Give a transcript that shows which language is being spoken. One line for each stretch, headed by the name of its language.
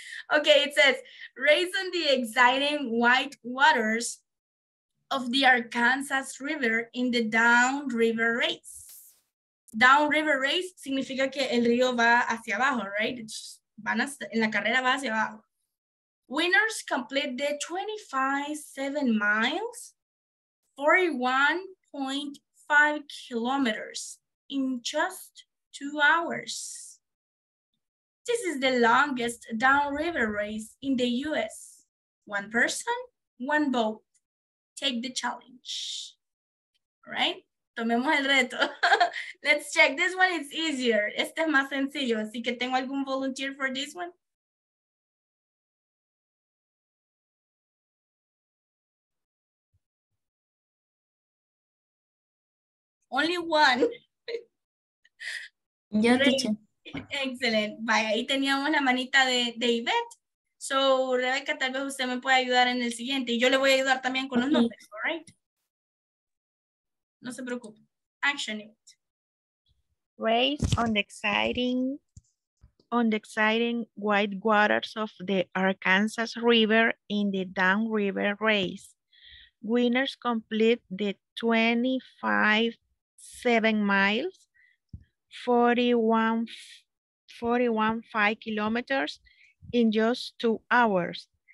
English: Okay, it says, race on the exciting white waters of the Arkansas River in the Down River Race.
Spanish: Down River Race significa que el río va hacia abajo, right? En la carrera va hacia abajo.
English: Winners complete the 25.7 miles, 41.5 kilometers in just 2 hours. This is the longest downriver race in the U.S. One person, one boat. Take the challenge. All right?
Spanish: Tomemos el reto.
English: Let's check. This one is easier.
Spanish: Este es más sencillo. Así que tengo algún
English: volunteer for this one. Only one.
Spanish: Yo dicho. Excellent. Vaya, ahí teníamos la manita de Yvette. So, Rebeca, tal vez usted me puede ayudar en el siguiente. Y yo le voy a ayudar también con los nombres,
English: all right?
Spanish: No se preocupe.
English: Action it. Race on the exciting white waters of the Arkansas River in the Down River Race. Winners complete the 25.7 miles, 41.5 kilometers in just 2 hours.